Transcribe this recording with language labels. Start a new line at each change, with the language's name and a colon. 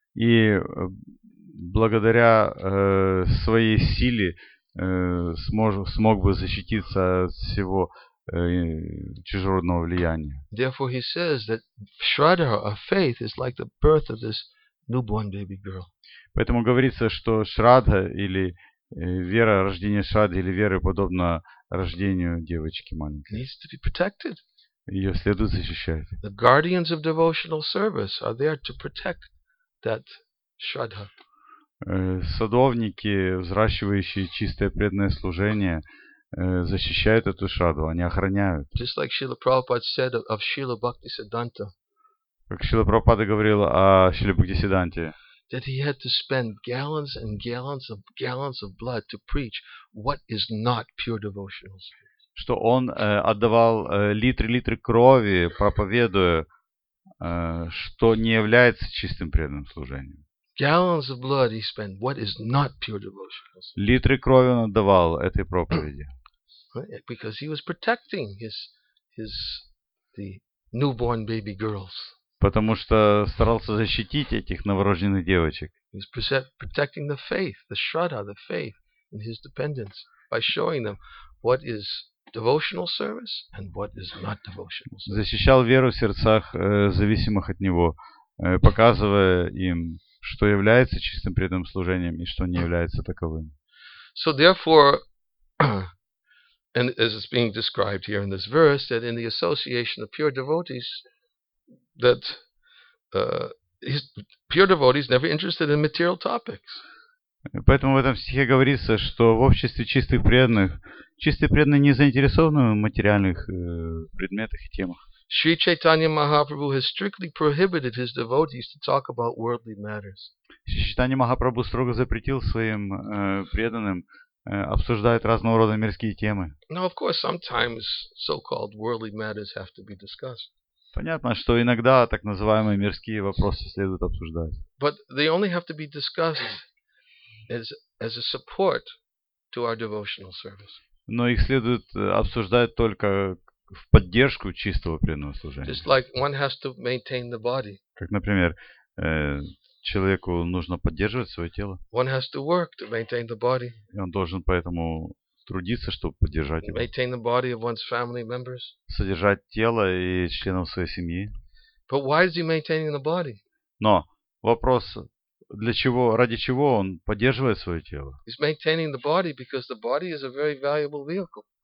Russian: И благодаря своей силе смог бы защититься от всего чужеродного влияния.
English: Therefore, he says that Shraddha, a faith, is like the birth of this newborn baby girl.
Russian: Поэтому говорится, что Шрадха или вера, рождение Шрадхи или веры подобно рождению девочки маленькой.
English: Needs to be protected.
Russian: Ее следует защищать.
English: The guardians of devotional service are there to protect that Shraddha.
Russian: Садовники, взращивающие чистое преданное служение, защищают эту шрадху, они охраняют.
English: Just like Srila Prabhupada said of Srila Bhaktisiddhanta.
Russian: Как Шрила Прабхупада говорил о Шриле Бхактисиддханте.
English: That he had to spend gallons and gallons of blood to preach what is not pure devotional service.
Russian: Что он отдавал литры крови, проповедуя, что не является чистым преданным служением.
English: Gallons of blood he spent. What is not pure devotion?
Russian: Литры крови он отдавал этой проповеди.
English: Because he was protecting his the newborn baby girls.
Russian: Потому что старался защитить этих новорожденных девочек.
English: He was protecting the faith, the shraddha, the faith in his dependents by showing them what is devotional service and what is not devotional service.
Russian: Защищал веру в сердцах зависимых от него, показывая им, что является чистым преданным служением и что не является таковым.
English: So therefore, and as it's being described here in this verse, that in the association of pure devotees, that pure devotees never interested in material topics.
Russian: Поэтому в этом стихе говорится, что в обществе чистых преданных, чистые преданные не заинтересованы в материальных предметах и темах.
English: Sri Chaitanya Mahaprabhu has strictly prohibited his devotees to talk about worldly matters.
Russian: Sri Chaitanya Mahaprabhu строго запретил своим преданным обсуждать разного рода мирские темы.
English: Now, of course, sometimes so-called worldly matters have to be discussed.
Russian: Понятно, что иногда так называемые мирские вопросы следует обсуждать.
English: But they only have to be discussed as a support to our devotional service.
Russian: Но их следует обсуждать только в поддержку чистого преданного служения.
English: Just like one has to maintain the body.
Russian: Как, например, человеку нужно поддерживать свое тело.
English: One has to work to maintain the body.
Russian: И он должен поэтому трудиться, чтобы поддержать его.
English: Maintain the body of one's family members.
Russian: Содержать тело и членов своей семьи.
English: But why is he maintaining the body?
Russian: Но вопрос, для чего, ради чего он поддерживает свое тело?
English: He's maintaining the body because the body is a very valuable vehicle.